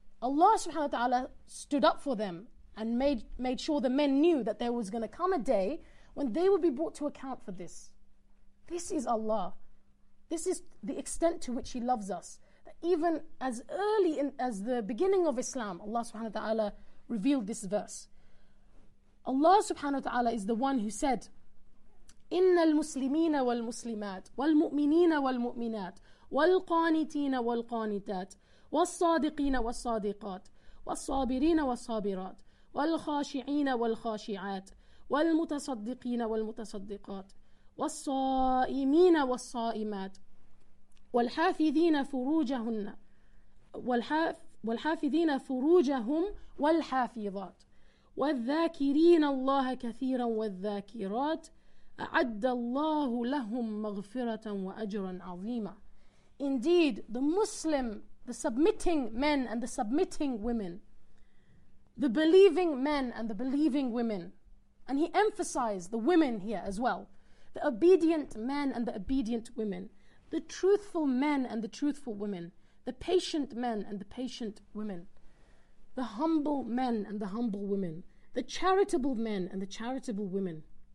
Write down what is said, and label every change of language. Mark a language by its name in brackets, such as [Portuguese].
[English] Allah subhanahu wa ta'ala stood up for them and made sure the men knew that there was going to come a day when they would be brought to account for this. This is Allah. This is the extent to which He loves us. Even as early as the beginning of Islam, Allah subhanahu wa ta'ala revealed this verse. Allah subhanahu wa ta'ala is the one who said, [Arabic] إِنَّ الْمُسْلِمِينَ وَالْمُسْلِمَاتِ وَالْمُؤْمِنِينَ وَالْمُؤْمِنَاتِ وَالْقَانِتِينَ وَالْقَانِتَاتِ وَالصَّادِقِينَ وَالصَّادِقَاتِ وَالصَّابِرِينَ وَالصَّابِرَاتِ وَالْخَاشِعِينَ وَالْخَاشِعَاتِ وَالْمُتَصَدِّقِينَ وَالْمُتَصَدِّقَاتِ وَالصَّائِمِينَ وَالصَّائِمَاتِ وَالْحَافِذِينَ فُرُوجَهُنَّ وَالْحَافِذِينَ فُرُوجَهُمْ وَالْحَافِظَاتِ وَالذَّاكِرِينَ اللَّهَ كَثِيرًا وَالذَّاكِرَاتِ أَعَدَّ اللَّهُ لَهُمْ مَغْفِرَةً وَأَجْرًا عَظِيمًا. [English] Indeed, the Muslim, the submitting men and the submitting women, the believing men and the believing women, and he emphasized the women here as well, the obedient men and the obedient women, the truthful men and the truthful women, the patient men and the patient women, the humble men and the humble women, the charitable men and the charitable women,